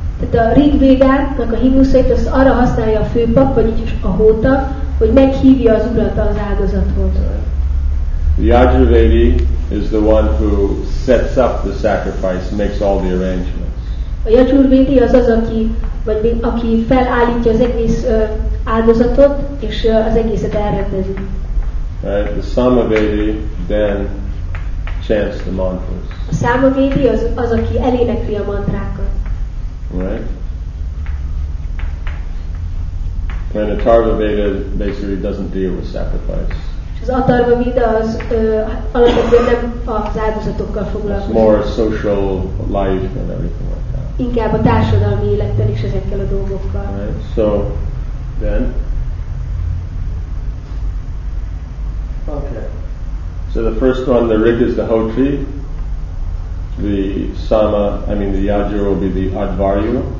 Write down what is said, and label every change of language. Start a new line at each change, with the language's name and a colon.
Hungarian: Tehát a Rig Védának a himnuszait az arra használja a főpap, vagyis a hóta, hogy meghívja az urat az áldozathoz.
English: The Ajurvedi is the one who sets up the sacrifice, makes all the arrangements.
Hungarian: A Ajurvedi az az, aki, vagy, aki felállítja az egész áldozatot, és az egészet elrendezi.
English: The Samavedi then chants the mantras.
Hungarian: A Samavedi az, az, aki elénekli a mantrákat.
English: Right. And Atharva Veda basically doesn't deal with sacrifice.
Hungarian: Az Atharva Veda az alapvetően nem az áldozatokkal foglalkozik.
English: It's more social life and everything like that.
Hungarian: Inkább a társadalmi élettel is ezekkel a dolgokkal.
English: Right. So then. Okay. So the first one, the Rig is the Hotri. The Sama, I mean the Yajur will be the Advaryu.